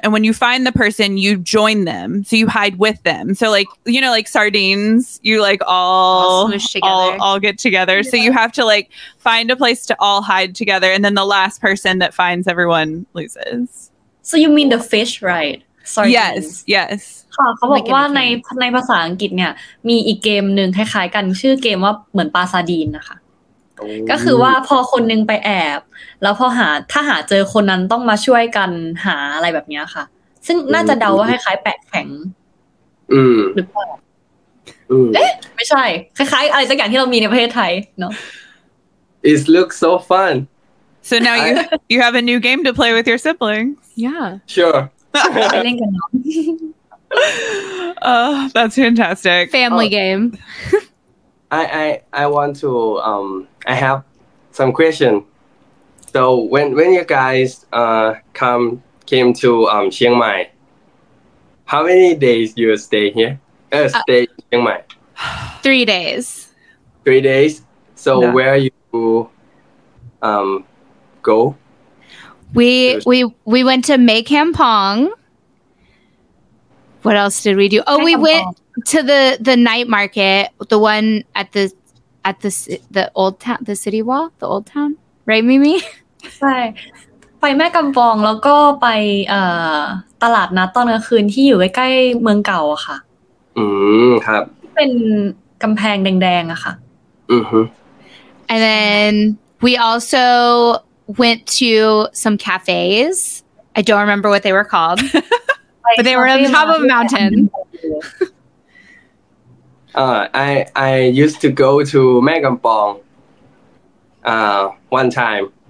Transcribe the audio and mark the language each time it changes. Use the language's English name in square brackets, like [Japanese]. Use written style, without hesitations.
[English] And when you find the person, you join them. So you hide with them. So like, you know, like sardines, you like all get together. Yeah. So you have to like find a place to all hide together. And then the last person that finds everyone loses. So you mean the fish, right? Sardines. Yes, yes. [Thai] ค่ะเขาบอกว่าในภาษาอังกฤษเนี่ยมีอีกเกมหนึ่งคล้ายๆกันชื่อเกมว่าเหมือนปลาซาดีนนะคะก็คือว่าพอคนนึงไปแอบแล้วพอหาถ้าหาเจอคนนั้นต้องมาช่วยกันหาอะไรแบบนี้ค่ะซึ่งน่าจะเดาว่าคล้ายๆแปะแข็ง อืม หรือเปล่าเอ๊ะไม่ใช่คล้ายๆอะไรสักอย่างที่เรามีในประเทศไทยเนาะ [English] It looks so fun so now you have a new game to play with your siblings yeah sure I think I know. Oh, that's fantastic. Family game. I want to, I have some question. So when you guys, came to, Chiang Mai, how many days you stay here? Stay in Chiang Mai? 3 days. 3 days? So no. Where you, go? We went to Mae Kham Phong. What else did we do? Oh, we went to the night market, the one at the old town, the city wall, the old town. Right, Mimi? [Thai] ใช่ไปแม่กำปองแล้วก็ไปตลาดนัดตอนกลางคืนที่อยู่ใกล้ๆเมืองเก่าอะค่ะ อืมครับ เป็นกำแพงแดงๆอะค่ะ อือฮึ [English] And then we also went to some cafes. I don't remember what they were called. But they were on top of a mountain. I used to go to Mae Kham Phong one time.